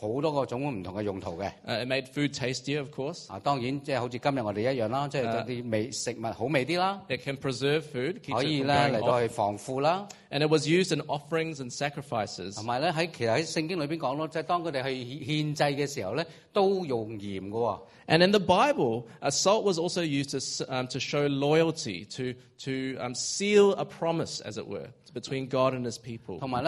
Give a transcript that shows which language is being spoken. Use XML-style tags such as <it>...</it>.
<zh>在當時近東的文化,鹽是用很多種不同的用途的。</zh> <en>It made food tastier, of course.</en> <zh>當然,就像今天我們一樣,食物好味一點。</zh> <en>It can preserve food, keep it from going off. And it was used in offerings and sacrifices.</en> <zh>還有,其實在聖經裡面說,當他們獻祭的時候,都用鹽的。</zh> <en>And in the Bible, salt was also used to show loyalty, to seal a promise, as it were, between God and His people.</en>